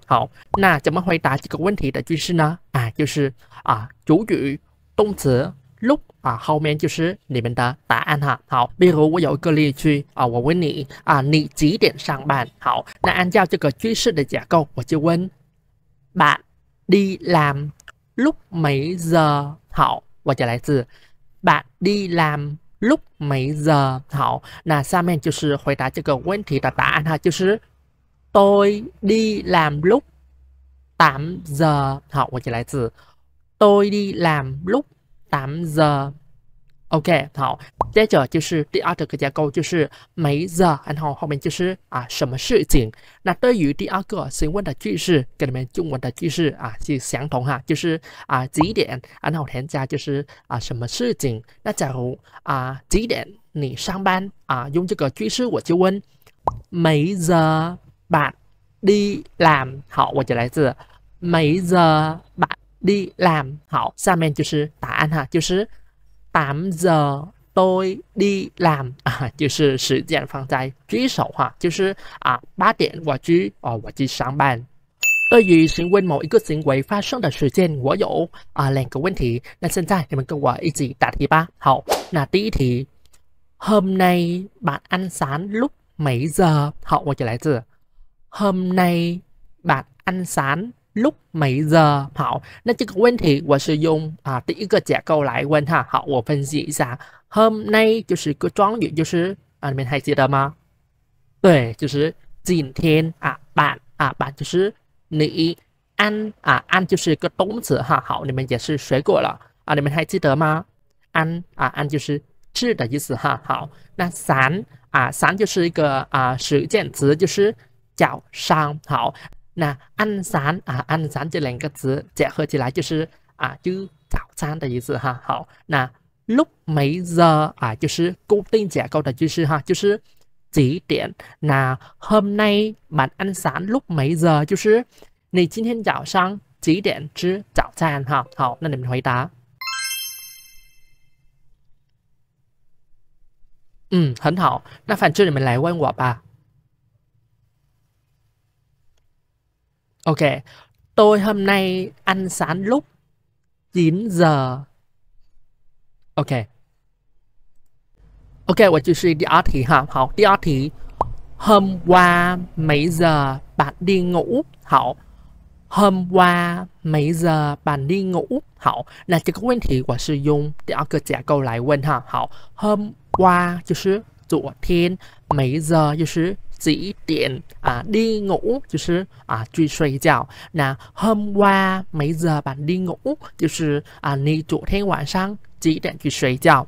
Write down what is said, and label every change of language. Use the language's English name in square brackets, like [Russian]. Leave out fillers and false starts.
[Chinese] 好，那怎么回答这个问题的句式呢？就是主语动词 lúc 后面就是你们的答案哈。好，比如我有一个例句我问你你几点上班？好，那按照这个句式的结构，我就问 [Vietnamese] bạn đi làm lúc mấy giờ？ [Chinese] 好，我就来自 [Vietnamese] bạn đi làm。 lúc mấy giờ？ [Chinese] 好，那下面就是回答这个问题的答案哈，就是 [Vietnamese] tôi đi làm lúc 8 giờ。好， [Chinese] 我就来自 [Vietnamese] tôi đi làm lúc 8 giờ。 [Chinese] OK，好，接着就是第二个架构，就是 mấy giờ，然后后面就是什么事情。那对于第二个询问的句式，跟你们中文的句式是相同哈，就是几点，然后添加就是什么事情。那假如几点你上班用这个句式，我就问 [Vietnamese] mấy giờ bạn đi làm。好， [Chinese] 我就来自 [Vietnamese] mấy giờ bạn đi làm。 [Chinese] 好，下面就是答案哈，就是 [Vietnamese] 8 giờ tôi đi làm [Chinese] 就是时间放在句首哈，就是8点我去上班。对于询问某一个行为发生的时间，我有两个问题。那现在你们跟我一起答题吧。 [Vietnamese] 好， [Chinese] 那第一题， [Vietnamese] Hôm nay bạn ăn sáng lúc mấy giờ？好， [Chinese] 我就来自 [Vietnamese] Hôm nay bạn ăn sáng lúc mấy giờ？ [Chinese] 好，那这个问题我是用第一个结构来问哈。好，我分析一下。 Hôm nay 就是个状语，就是你们还记得吗？对，就是今天bạn 就是你，ăn 就是个动词哈。好，你们也是学过了你们还记得吗？ăn 就是吃的意思哈。好，那 sáng 就是一个时间词，就是早上。好，那 ăn sáng 这两个词结合起来就是就早餐的意思哈。好，那 [Vietnamese] lúc mấy giờ [Chinese] 就是固定结构的句式哈，就是几点？ [Vietnamese] 那 hôm nay bạn ăn sáng lúc mấy giờ？ [Chinese] 就是你今天早上几点吃早餐？哈，好，那你们回答。嗯，很好，那反正你们来问我吧。 [Vietnamese] OK，tôi hôm nay ăn sáng lúc 9 giờ. [Chinese] OK，我就是第二题哈。 [Vietnamese] 好，第二题，hôm qua mấy giờ bạn đi ngủ？好，hôm qua mấy giờ bạn đi ngủ？ [Chinese] 好，那这个问题我是用第二个结构来问哈。好，hôm qua 就是昨天，mấy giờ 就是几点啊？đi ngủ 就是啊去睡觉。那 [Vietnamese] hôm qua mấy giờ bạn đi ngủ [Chinese] 就是啊你昨天晚上几点去睡觉？